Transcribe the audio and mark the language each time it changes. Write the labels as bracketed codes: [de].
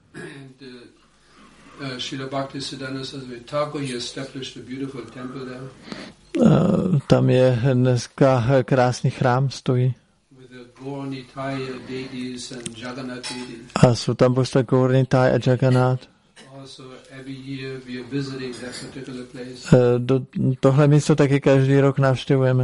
[en] And Srila Bhaktisiddhanta Saraswati Thakur, he established a beautiful temple there. [cs] Tam je dneska krásný chrám, stojí. [en] With the Gauranitai deities and Jagannath deities. [cs] A jsou tam prostě Gauranitai a Jagannath. [en] So every year we are visiting that particular place. [cs] Do tohle místo taky každý rok navštěvujeme.